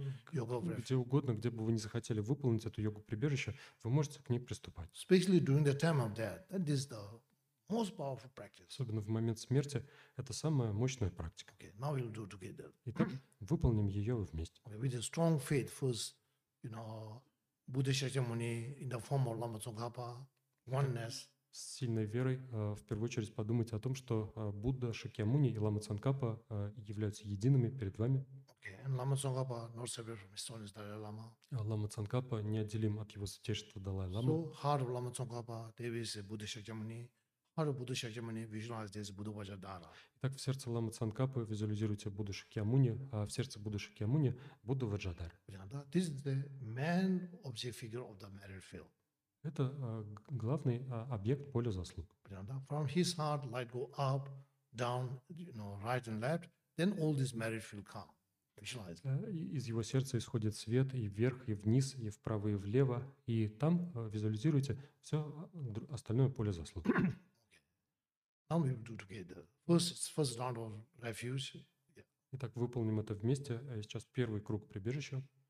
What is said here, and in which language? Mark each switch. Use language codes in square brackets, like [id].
[ru] Где угодно, где бы вы не захотели выполнить эту йогу прибежища, вы можете к ней приступать. [en] Especially during the time of death. That is the most powerful practice. [ru] Особенно в момент смерти это самая мощная практика. [en] Okay, now we'll do together. [ru] Итак, выполним ее вместе. [en] Okay, with a strong faith, first, you know, Buddha Shakyamuni in the form of Lama Tsongkhapa, oneness. [ru] С сильной верой в первую очередь подумайте о том, что Будда Шакьямуни и Лама Цанкапа являются едиными перед вами. [en] Okay. [ru] Лама Цанкапа неотделим от его святейшества Далай Лама. [en] So, heart of Lama Tsongkhapa, there is Buddha Shakyamuni. Heart of Buddha Shakyamuni, visualize this Buddha Vajradhara. [ru] Итак, в сердце Лама Цанкапы визуализируйте Будду Шакьямуни, а в сердце Будды Шакьямуни Будду Ваджадар. [en] This is the main object figure of the merit field. [ru] Это главный объект поля заслуг. [en] From his heart, light go up, down, you know, right and left. Then all this merit field come. Visualize. [ru] Из его сердца исходит свет и вверх, и вниз, и вправо, и влево. И там визуализируйте все остальное поле заслуг. [en] Okay. Now we will do together. First round of refuge. Yeah. [ru] Итак, выполним это вместе. Сейчас первый круг прибежища.